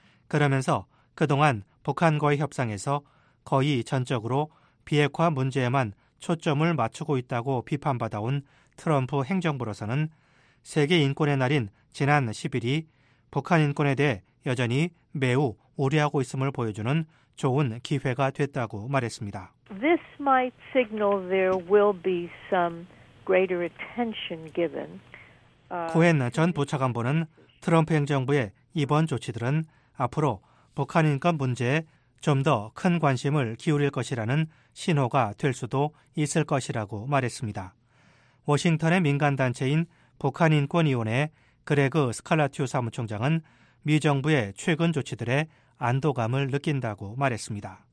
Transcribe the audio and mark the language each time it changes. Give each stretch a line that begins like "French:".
Korean: 그러면서 그동안 북한과의 협상에서 거의 전적으로 비핵화 문제에만 초점을 맞추고 있다고 비판받아온 트럼프 행정부로서는 세계 인권의 날인 지난 10일이 북한 인권에 대해 여전히 매우 우려하고 있음을 보여주는 좋은 기회가 됐다고 말했습니다.
English: This might signal there will be some greater attention given.
Korean: 코엔 전 부차관보는 트럼프 행정부의 이번 조치들은 앞으로 북한 인권 문제에 좀 더 큰 관심을 기울일 것이라는 신호가 될 수도 있을 것이라고 말했습니다. 워싱턴의 민간단체인 북한인권위원회 그레그 스칼라티우 사무총장은 미 정부의 최근 조치들에 안도감을 느낀다고 말했습니다.